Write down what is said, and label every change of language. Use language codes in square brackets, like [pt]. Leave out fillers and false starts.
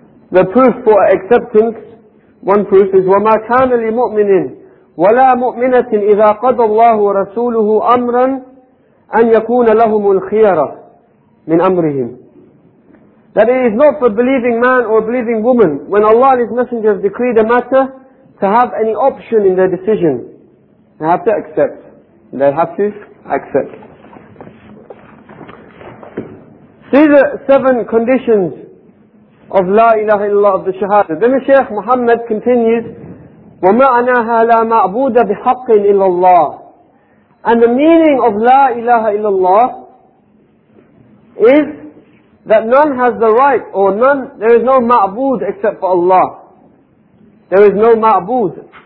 [en] The proof for acceptance, one proof is [ar] وَمَا كَانَ لِمُؤْمِنٍ وَلَا مُؤْمِنَةٍ إِذَا قَضَى اللَّهُ وَرَسُولُهُ أَمْرًا أَنْ يَكُونَ لَهُمُ الْخِيَرَةِ مِنْ أَمْرِهِمْ. [en] That it is not for a believing man or a believing woman, when Allah and His Messenger have decreed a matter, to have any option in their decision. They have to accept. They have to accept. These are seven conditions of La ilaha illallah, of the Shahada. Then the Shaykh Muhammad continues, [ar] وَمَعْنَاهَا لَا مَعْبُودَ بِحَقٍ إِلَّا اللَّهِ. [en] And the meaning of La ilaha illallah is that none has the right, or none, there is no ma'bud except for Allah. There is no ma'bud.